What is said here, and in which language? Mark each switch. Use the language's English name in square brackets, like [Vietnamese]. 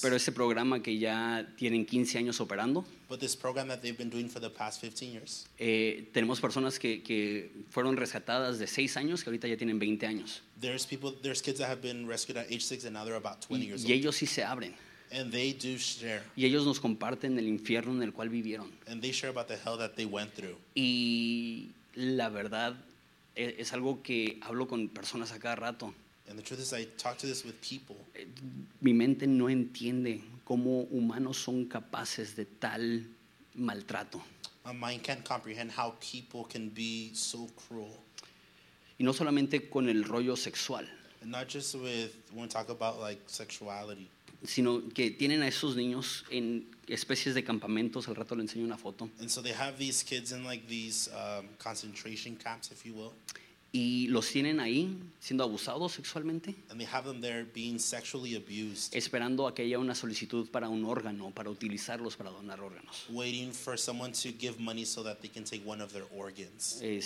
[Spanish] Pero ese programa que ya tienen 15 años operando. [English] But this program that they've been doing for the past 15 years. [Spanish] Tenemos personas que fueron rescatadas de 6 años que ahorita ya tienen 20 años. [English] There's kids that have been rescued at age 6 and now they're about 20 years old. [Spanish] Y ellos sí se abren. [English] And they do share. [Spanish] Y ellos nos comparten el infierno en el cual vivieron. [English] And they share about the hell that they went through. [Spanish] Y la verdad es algo que hablo con personas a cada rato. [English] And the truth is I talk to this with people. [Spanish] Mi mente no entiende cómo humanos son capaces de tal maltrato. [English] My mind can't comprehend how people can be so cruel. [Spanish] Y no solamente con el rollo sexual. [English] And not just with, when we talk about like sexuality. [Spanish] Sino que tienen a esos niños en especies de campamentos, al rato le enseño una foto. [English] And so they have these kids in like these concentration camps, if you will. [Spanish] Y los tienen ahí siendo abusados sexualmente. [English] And they have them there being sexually abused. [Spanish] Esperando a que haya una solicitud para un órgano, para utilizarlos, para donar órganos. [English] Waiting for someone to give money so that they can take one of their organs.